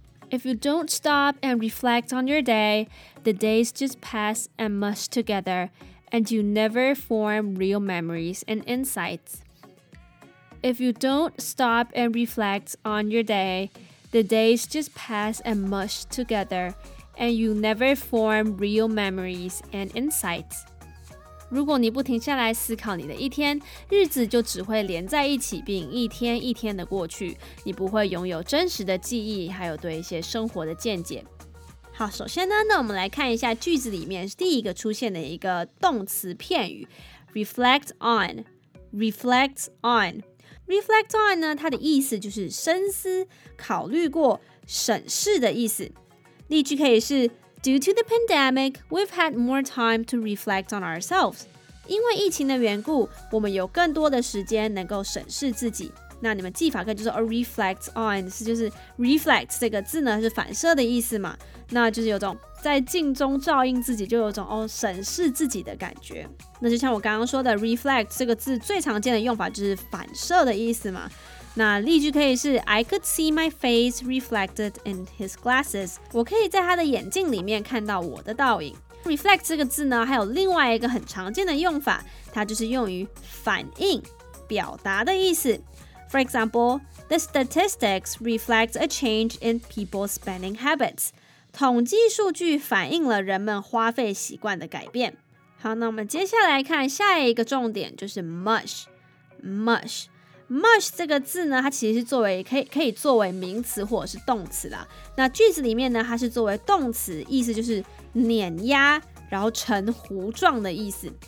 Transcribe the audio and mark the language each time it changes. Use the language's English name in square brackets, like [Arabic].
[English] If you don't stop and reflect on your day, the days just pass and mush together, and you never form real memories and insights. If you don't stop and reflect on your day, the days just pass and mush together, and you never form real memories and insights. [Chinese] 如果你不停下来思考你的一天，日子就只会连在一起，并一天一天的过去，你不会拥有真实的记忆，还有对一些生活的见解。好，首先呢，那我们来看一下句子里面第一个出现的一个动词片语 reflect on, reflect on, reflect on 呢，它的意思就是深思、考虑过、审视的意思。例句可以是 [English] Due to the pandemic, we've had more time to reflect on ourselves. [Chinese] 因为疫情的缘故，我们有更多的时间能够审视自己。那你们记法可以就是 a reflect on, 是就是 reflect 这个字呢是反射的意思嘛，那就是有种在镜中照应自己，就有种哦审视自己的感觉。那就像我刚刚说的 reflect 这个字最常见的用法就是反射的意思嘛。那例句可以是 [English] I could see my face reflected in his glasses, [Chinese] 我可以在他的眼镜里面看到我的倒影。 reflect 这个字呢还有另外一个很常见的用法，它就是用于反应表达的意思。 [English] For example, the statistics reflect a change in people's spending habits. [Chinese] 统计数据反映了人们花费习惯的改变。好，那我们接下来看下一个重点，就是 mush。 mush。 mush 这个字呢，它其实是作为可以作为名词或者是动词啦。那句子里面呢，它是作为动词，意思就是碾压，然后成糊状的意思。